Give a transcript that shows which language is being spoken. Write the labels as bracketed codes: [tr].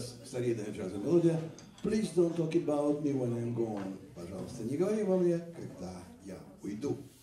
[ru] замечательная мелодия. [en] Please don't talk about me when I'm gone. [ru] Пожалуйста, не говори во мне, когда я уйду.